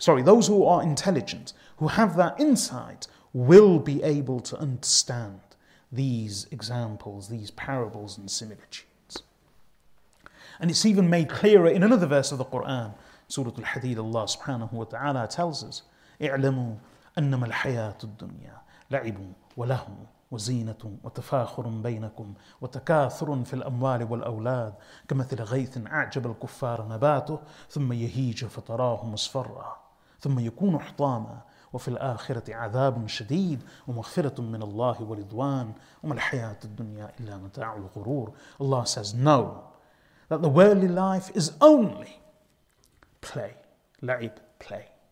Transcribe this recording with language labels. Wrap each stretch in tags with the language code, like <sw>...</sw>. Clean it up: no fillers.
<en>Those who are intelligent, who have that insight, will be able to understand these examples, these parables and similitudes. And it's even made clearer in another verse of the Qur'an, Surah Al-Hadid, Allah subhanahu wa ta'ala tells us,</en> <ar>اِعْلَمُوا أَنَّمَا الْحَيَاةُ الدُّنْيَا لَعِبٌ وَلَهُمْ وزينة وتفاخر بينكم وتكاثر في الأموال والأولاد كمثل غيث أعجب الكفار نباته ثم يهيج فتراه مصفرا ثم يكون حطاما وفي الآخرة عذاب شديد ومغفرة من الله ورضوان وما الحياة الدنيا إلا متاع الغرور.</ar> <en>Allah says no, that the worldly life is only play, لعب, play.</en>